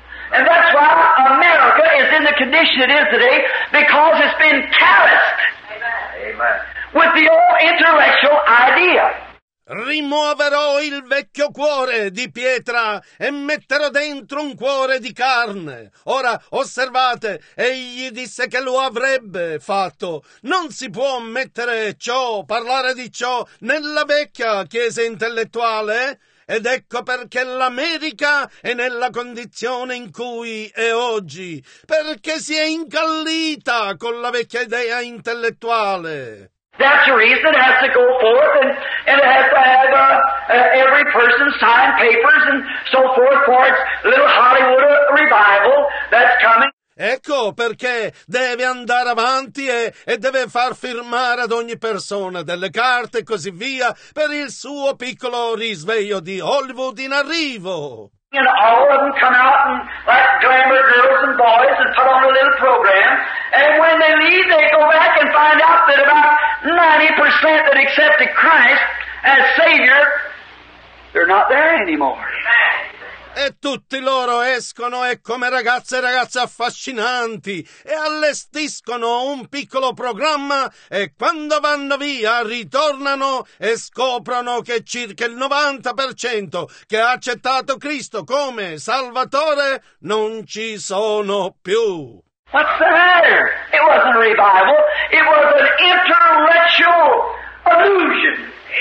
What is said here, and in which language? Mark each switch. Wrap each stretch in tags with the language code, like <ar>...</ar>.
<en>And that's why America is in the condition it is today, because it's been calloused. Amen. With the old intellectual idea.</en> <it>Rimuoverò il vecchio cuore di pietra e metterò dentro un cuore di carne. Ora, osservate, egli disse che lo avrebbe fatto. Non si può mettere ciò, parlare di ciò, nella vecchia chiesa intellettuale. Ed ecco perché l'America è nella condizione in cui è oggi, perché si è incallita con la vecchia idea intellettuale.</it> <en>That's the reason it has to go forth and it has to have every person sign papers and so forth for its little Hollywood revival that's coming.</en> <it>Ecco perché deve andare avanti e deve far firmare ad ogni persona delle carte e così via per il suo piccolo risveglio di Hollywood in arrivo.</it> <en>And all of them come out and like glamour girls and boys and put on a little program. And when they leave, they go back and find out that about 90% that accepted Christ as Savior, they're not there anymore.</en> <it>E tutti loro escono e come ragazze e ragazze affascinanti e allestiscono un piccolo programma e quando vanno via ritornano e scoprono che circa il 90% che ha accettato Cristo come Salvatore non ci sono più.</it> <en>What's the matter? It wasn't a revival. It was an intellectual illusion.</en>